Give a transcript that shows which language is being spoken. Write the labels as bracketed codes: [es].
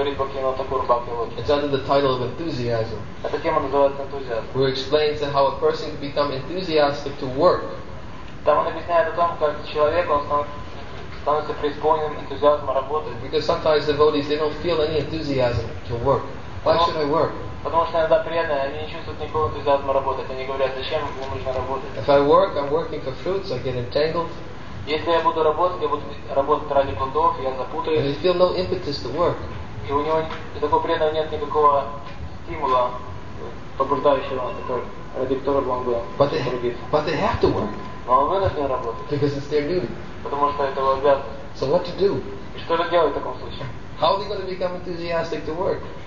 [en] It's under the title of enthusiasm. Where he explains how a person can become enthusiastic to work. Because sometimes devotees, they don't feel any enthusiasm to work. Why should I work? [ru] Потому что иногда преданные, они не чувствуют никакого энтузиазма работать. Они говорят, зачем ему нужно работать? [en] If I work, I'm working for fruits, I get entangled. [ru] Если я буду работать, я буду работать ради плодов, я запутаюсь. [en] And you feel no impetus to work. [ru] И у него, у такого преданного нет никакого стимула, побуждающего, ради которого он был. [en] But they have to work. [ru] Но он вынужден работать. [en] Because it's their duty. [ru] Потому что это его обязанность. [en] So what to do? [ru] И что же делать в таком случае? [en] How are we going to become enthusiastic to work?